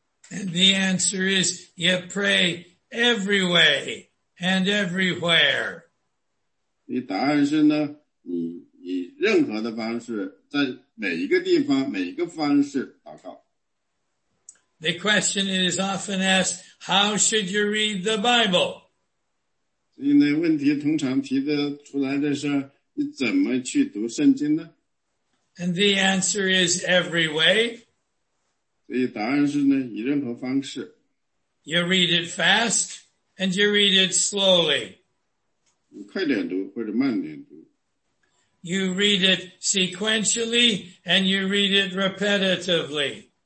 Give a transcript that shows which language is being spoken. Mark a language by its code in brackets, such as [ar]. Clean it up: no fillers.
[en] And the answer is, you pray every way and everywhere. [zh] 你答案是呢，你以任何的方式，在每一个地方、每一个方式祷告。 [en] The question is often asked, how should you read the Bible? [zh] 因为问题通常提的出来的是，你怎么去读圣经呢？ [en] And the answer is every way. [zh] 所以答案是呢，以任何方式。 [en] You read it fast and you read it slowly. [zh] 快点读或者慢点读。 [en] You read it sequentially and you read it repetitively.